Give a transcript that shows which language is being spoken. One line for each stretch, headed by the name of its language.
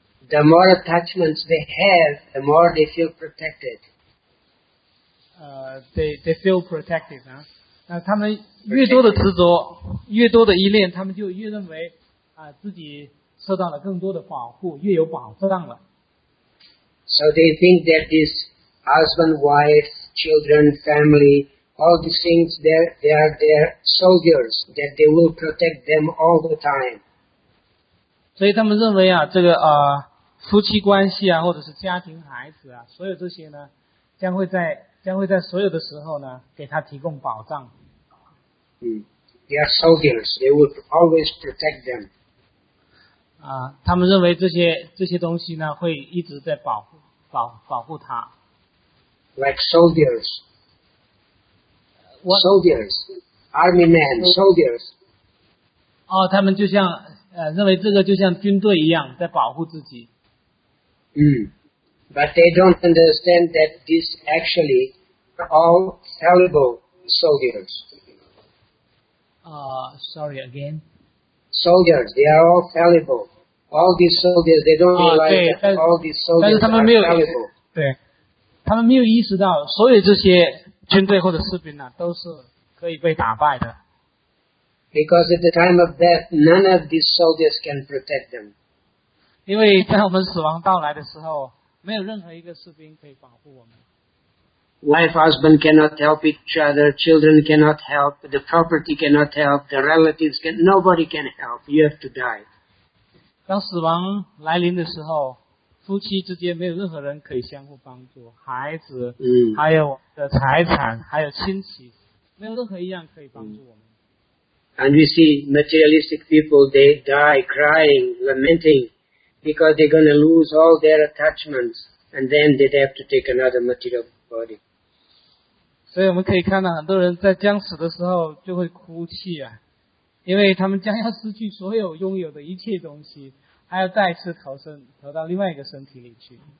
English: The more attachments they have, the more they feel protected. They feel protected.
Chinese: 他们越多的执着，越多的依恋，他们就越认为自己受到了更多的保护，越有保障了。
English: So they think that this husband, wife, children, family, all these things, they are their soldiers, that they will protect them all the time.
Chinese: 所以他们认为啊，这个夫妻关系啊，或者是家庭、孩子啊，所有这些呢，将会在所有的时候呢，给他提供保障。
English: They are soldiers. They will always protect them.
Chinese: 他们认为这些东西呢，会一直在保护他。
English: Like soldiers. What? Soldiers. Army men. Soldiers.
Chinese: 他们就像认为这个就像军队一样，在保护自己。
English: But they don't understand that these actually are all fallible soldiers. Sorry again. Soldiers, they are all fallible. All these soldiers, they don't realize that all these soldiers are fallible.
Chinese: 对，他们没有意识到所有这些军队或者士兵呢，都是可以被打败的。
English: Because at the time of death, none of these soldiers can protect them.
Chinese: 因为在我们死亡到来的时候，没有任何一个士兵可以保护我们。
English: Wife, husband cannot help each other. Children cannot help. The property cannot help. The relatives can. Nobody can help. You have to die.
Chinese: 当死亡来临的时候，夫妻之间没有任何人可以相互帮助，孩子，还有的财产，还有亲戚，没有任何一样可以帮助我们。
English: And we see materialistic people, they die crying, lamenting. Because they're going to lose all their attachments, and then they'd have to take another material body. So we can see that many people in the death of the person will cry, because they are going to lose all their things, and they have to take another body.